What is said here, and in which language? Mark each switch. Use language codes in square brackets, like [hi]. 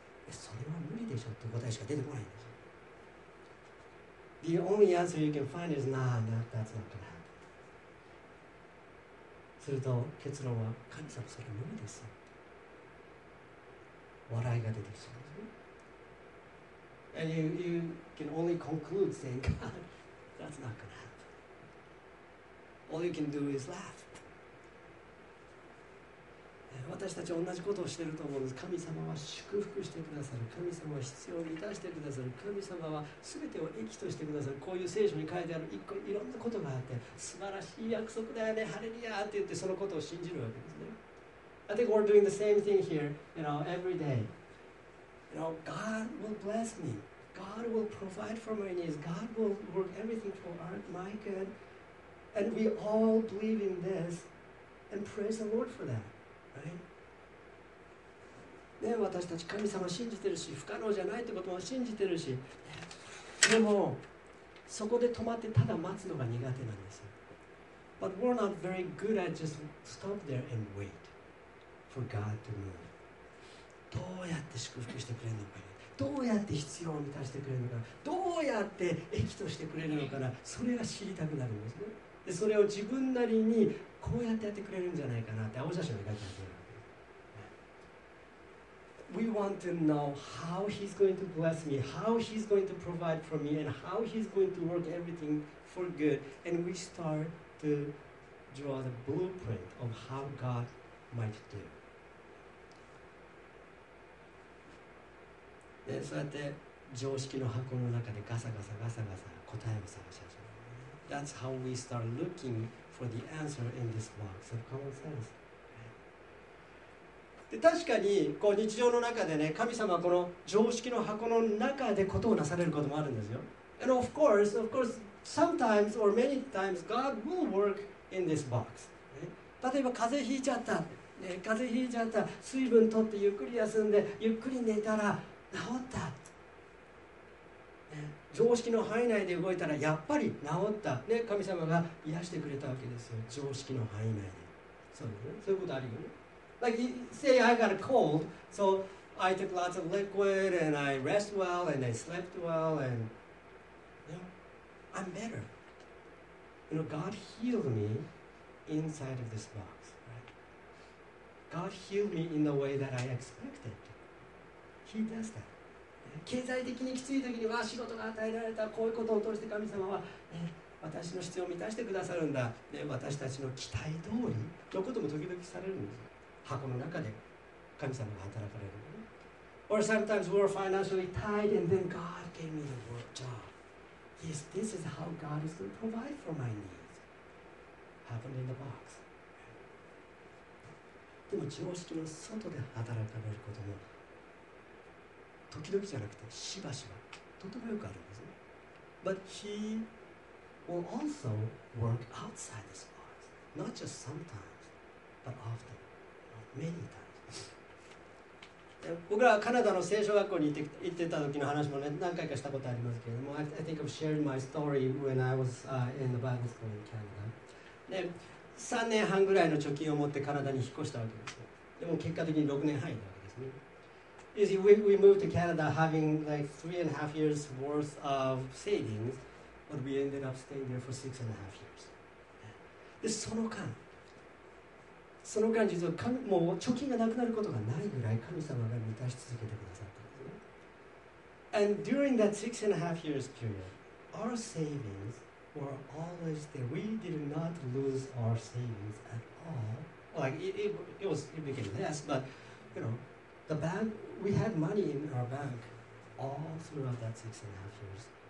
[ja] それは無理でしょって答えしか出てこないんですよ。 [en] The only answer you can find is nah, nah, that's not gonna happen. [ja] すると結論は神様それ無理です。笑いが出てきちゃうんですね。 [en] And you can only conclude saying God, that's not gonna happen. All you can do is laugh. [ja] 私たち同じことをしていると思うんです。神様は祝福してくださる。神様は必要を満たしてくださる。神様は全てを益としてくださる。こういう聖書に書いてある一個いろんなことがあって、素晴らしい約束だよね、ハレルヤーって言ってそのことを信じるわけですね。 [en] I think we're doing the same thing here, you know, every day. You know, God will bless me. God will provide for my needs. God will work everything for my good. And we all believe in this and praise the Lord for that. [ja] ね、私たち神様信じてるし不可能じゃないってことも信じてるし、でもそこで止まってただ待つのが苦手なんです。 [en] But we're not very good at just stop there and wait for God to move. [ja] どうやって祝福してくれるのかな、どうやって必要を満たしてくれるのかな、どうやって益としてくれるのかな、それが知りたくなるんですね。でそれを自分なりにこうやってやってくれるんじゃないかなって青写真が書いてあるんです。 [en] We want to know how he's going to bless me, how he's going to provide for me, and how he's going to work everything for good. And we start to draw the blueprint of how God might do. [ja] で、そうやって常識の箱の中でガサガサガサガサ答えを探し始める。 [en] That's how we start looking for the answer in this box of common sense. [ja] で確かにこう日常の中でね、神様はこの常識の箱の中でことをなされることもあるんですよ。 [en] And of course, sometimes or many times God will work in this box、 [ja] ね、例えば風邪ひいちゃった、ね、風邪ひいちゃった、水分取ってゆっくり休んでゆっくり寝たら治った、ね、常識の範囲内で動いたらやっぱり治った、ね、神様が癒してくれたわけですよ、常識の範囲内で。そうですね、そういうことあるよね。 [en] Like, say I got a cold, so I took lots of liquid, and I rest well, and I slept well, and, you know, I'm better. You know, God healed me inside of this box, right? God healed me in the way that I expected. He does that. [ja] 経済的にきつい時には仕事が与えられた、こういうことを通して神様は、私の必要を満たしてくださるんだ。で、私たちの期待通りのことも時々されるんですよ。箱の中で神様が働かれる。 [en] Or sometimes we're financially tied and then God gave me the work job. Yes, this is how God is going to provide for my needs. Happened in the box. [ja] でも常識の外で働かれることも時々じゃなくてしばしばとてもよくあるんですね。 [en] But he will also work outside this box. Not just sometimes, but often. [ja] メリータ僕らはカナダの聖書学校に行ってた時の話も、ね、何回かしたことありますけれども、 [en] I think I've shared my story when I was in the Bible school in Canada. [ja] で、3年半ぐらいの貯金を持ってカナダに引っ越したわけです。でも結果的に6年入ったわけですね。 [en] You see, we moved to Canada having like 3.5 years worth of savings, but we ended up staying there for 6.5 years. [ja] で、その間。その間実はもう貯金がなくなることがないぐらい神様が満たし続けてくださったんですね。 [en] And during that 6.5 years period, our savings were always there. We did not lose our savings at all. Like it became less, but you know, the bank, we had money in our bank all throughout that 6.5 years.